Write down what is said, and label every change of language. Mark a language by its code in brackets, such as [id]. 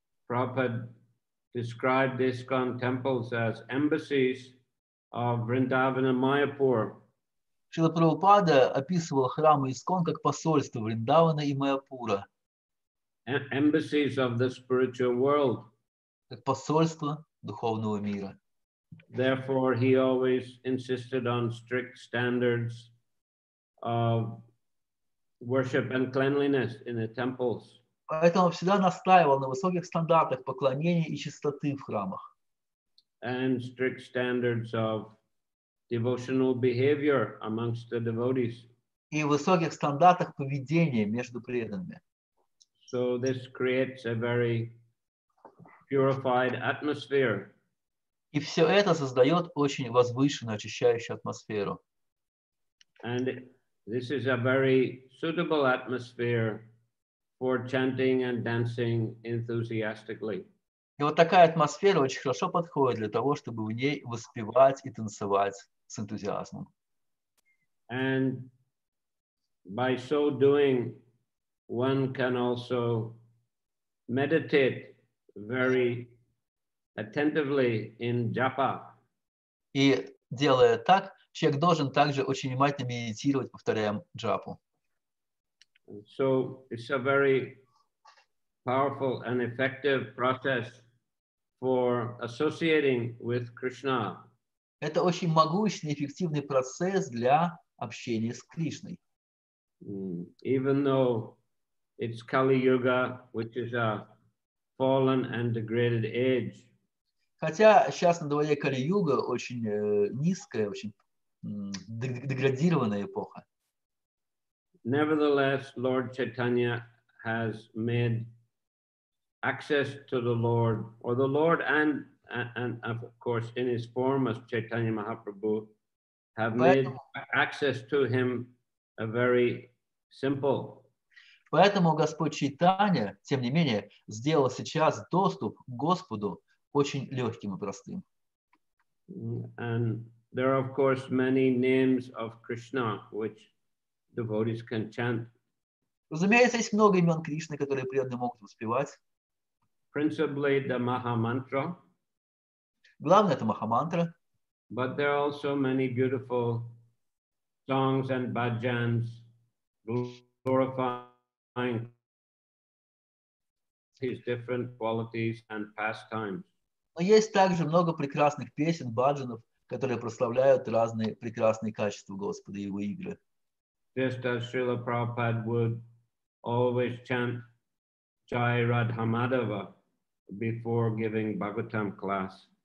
[en] Prabhupada described ISKCON temples as embassies of Vrindavan and Mayapur. [ru] Шрила Прабхупада описывал храмы ISKCON как посольство Вриндавана и Майяпура. [en] Embassies of the spiritual world. [ru] Как посольство духовного мира. [en] Therefore, he always insisted on strict standards of worship and cleanliness in the temples. [ru] Поэтому всегда настаивал на высоких стандартах поклонения и чистоты в храмах. [en] And strict standards of devotional behavior amongst the devotees. [ru] И высоких стандартах поведения между преданными. [en] So this creates a very purified atmosphere. [ru] И все это создает очень возвышенную, очищающую атмосферу. [en] And this is a very suitable atmosphere for chanting and dancing enthusiastically. [ru] И вот такая атмосфера очень хорошо подходит для того, чтобы в ней воспевать и танцевать с энтузиазмом. [en] And by so doing, one can also meditate very attentively in japa. [ru] И делая так, человек должен также очень внимательно медитировать, повторяя джапу. [en] So it's a very powerful and effective process for associating with Krishna. [ru] Это очень могучий, эффективный процесс для общения с Кришной. [en] Even though it's Kali Yuga, which is a fallen and degraded age. [ru] Хотя сейчас на дворе Кали Юга очень низкая, очень деградированная эпоха. [en] Nevertheless, Lord Chaitanya has made access to the Lord, or the Lord and of course in his form as Chaitanya Mahaprabhu, have made access to him a very simple. [ru] Поэтому Господь Чайтанья, тем не менее, сделал сейчас доступ к Господу очень легким и простым. [en] And there are, of course, many names of Krishna, which devotees can chant. [ru] Разумеется, есть много имен Кришны, которые преданные могут воспевать. [en] Principally the Mahamantra. [ru] Главное – это Махамантра. [en] But there are also many beautiful songs and bhajans glorifying his different qualities and pastimes. [ru] Но есть также много прекрасных песен, бхаджанов, которые прославляют разные прекрасные качества Господа и его игры. [en] Just as Srila Prabhupada would always chant Jai Radha Madhava before giving Bhagavatam class.